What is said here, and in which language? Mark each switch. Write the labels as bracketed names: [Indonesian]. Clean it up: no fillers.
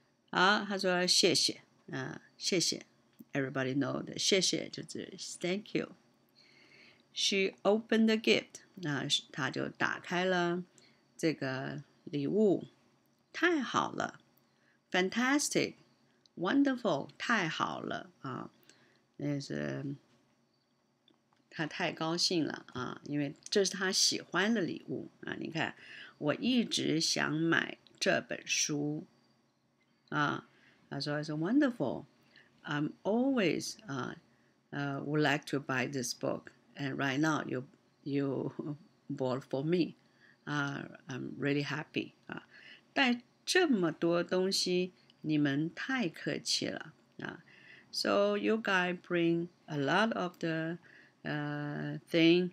[Chinese] 他说谢谢谢谢 [English] Everybody know that [Chinese] 谢谢就是 [English] Thank you She opened the gift [Chinese] 她就打开了这个礼物太好了 ， [English] fantastic, wonderful, [Chinese] 太好了那是他太高兴了啊，因为这是他喜欢的礼物啊。你看，我一直想买这本书啊。他说 [English] ，It's wonderful. I'm always would like to buy this book. And right now, you bought for me. I'm really happy. [Chinese] 啊，带这么多东西，你们太客气了啊。 [English] So you guys bring a lot of the thing.